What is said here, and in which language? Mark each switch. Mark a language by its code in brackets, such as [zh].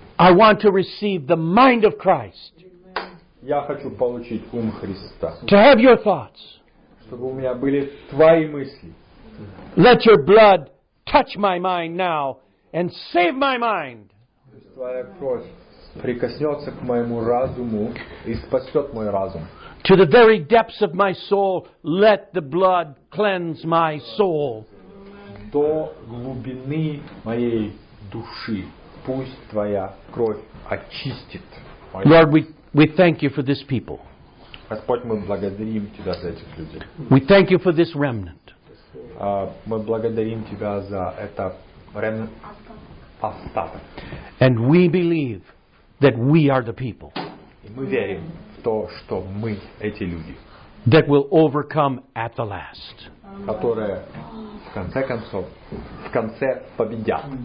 [en] I want to receive the mind of Christ. [ru] Я хочу получить ум Христа. [en] To have your thoughts. [ru] Чтобы у меня были твои мысли. [en] Let your blood touch my mind now and save my mind. [ru] Твоя кровь прикоснется к моему разуму и спасет мой разум. [en] To the very depths of my soul, let the blood cleanse my soul. [ru] До глубины моей души, пусть твоя кровь очистит. [en] Lord, we thank you for this people. [ru] Господь, мы благодарим тебя за этих людей. [en] We thank you for this remnant. [ru] Мы благодарим тебя за это остаток. [en] And we believe that we are the people. [ru] И мы верим. То, что мы, эти люди, [en] that will overcome at the last. [ru] Которые в конце концов, в конце победят.